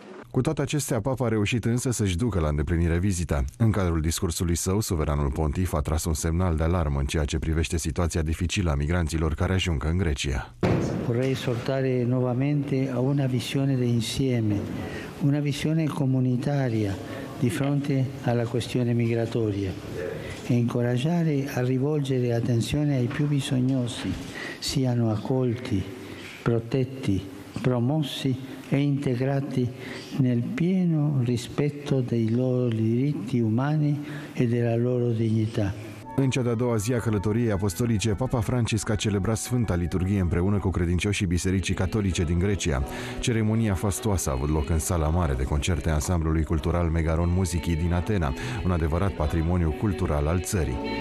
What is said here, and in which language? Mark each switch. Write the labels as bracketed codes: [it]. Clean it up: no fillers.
[ro] Cu toate acestea, papa a reușit însă să-și ducă la îndeplinire vizita. În cadrul discursului său, suveranul pontif a tras un semnal de alarmă în ceea ce privește situația dificilă a migranților care ajung în Grecia. [it] Vorrei esortare nuovamente a una visione de insieme, una visione comunitaria di fronte alla questione migratoria e incoraggiare a rivolgere attenzione ai più bisognosi, siano accolti, protetti, promossi e integrati nel pieno rispetto dei loro diritti umani e della loro dignità. [ro] În cea de-a doua zi a călătoriei apostolice, Papa Francisc a celebrat Sfânta Liturghie împreună cu credincioșii Bisericii Catolice din Grecia. Ceremonia fastoasă a avut loc în sala mare de concerte a ansamblului cultural Megaron Muzicii din Atena, un adevărat patrimoniu cultural al țării.